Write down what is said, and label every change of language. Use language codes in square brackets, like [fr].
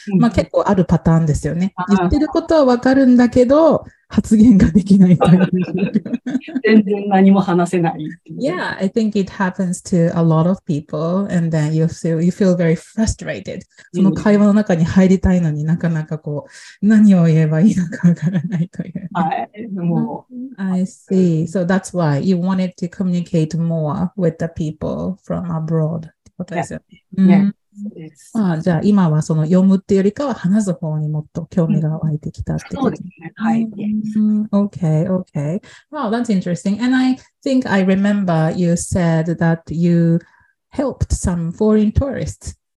[ja] まあ結構あるパターンですよね。言ってることはわかるんだけど、発言ができない。全然何も話せない。 [en] Yeah, I think it happens to a lot of people, and then you feel very frustrated. [ja] その会話の中に入りたいのになかなかこう何を言えばいいのかわからないという。 [en] I see. So that's why you wanted to communicate more with the people from abroad. Yeah. Mm-hmm. Yes. [ja] ああ、じゃあ今はその読むっていうよりかは話す方にもっと興味が湧いてきたってこと。そうですね。はい。 [en] Okay, okay. Well, that's interesting. And I think I remember you said that you helped some foreign tourists.